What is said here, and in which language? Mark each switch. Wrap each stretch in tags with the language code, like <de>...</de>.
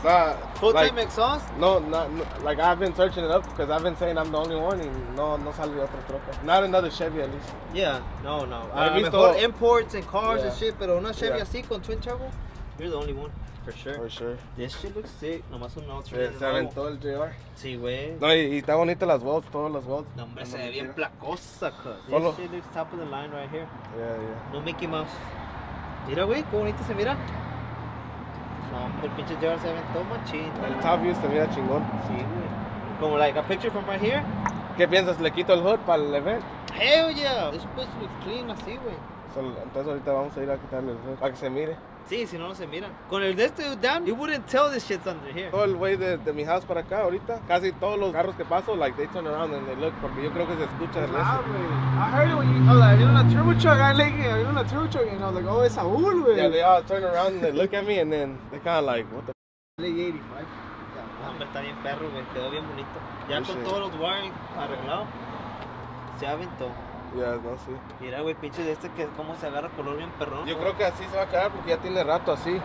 <en>Full time like, exhaust? No, like I've been searching it up because I've been saying I'm the only one and</en> <es>no sale otra troca.</es> <en>Not another Chevy at least. Yeah, no.</en> <es>Visto, mejor</es> <en>imports and cars, yeah. And shit,</en> <es>pero una</es> <en>Chevy, yeah.</en> <es>Así con</es> <en>twin turbo, you're the only one. For sure. This shit looks sick.</en> <es>Nomás un outro. Se aventó el JR. Sí, güey. No, y está bonita las bolts, todas las bolts. No, hombre, se ve bien placosa, cuz.</es> <en>This shit looks top of the line right here. Yeah.</en> <es>No Mickey Mouse. Mira, güey, qué bonito se mira. No, el pinche JR se aventó machín. El top view se mira chingón. Sí, güey. Como,</es> <en>like, a picture from right here.</en> <es>¿Qué piensas? ¿Le quito el hood para el event?</es> <en>Hell yeah. This place looks clean,</en> <es>así, güey. Entonces ahorita vamos a ir a quitarle el hood para que se mire. Sí, si no se mira. Con el de este</es> <en>down, you wouldn't tell this shit's under here.</en> <es>Todo el way de mi house para acá ahorita, casi todos los carros que paso, like,</es> <en>they turn around and they look,</en> <es>porque yo creo que se escucha el eso.</es> <en>I heard it when you, oh, like, you're in a turbo truck, I like it, you're in a turbo truck, and I was like, oh, it's Saúl, wey. Yeah, they all turn around and they look at me, and then they kind of like, what the f***? LA 85.</en> <es>Hombre, está bien perro, wey, quedó bien bonito. Ya con todos los wiring arreglados, se aventó. Ya, yeah, no, sí. Mira, güey, pinche de este que es como se agarra color bien perrón. Yo creo que así se va a quedar porque ya tiene rato así.</es>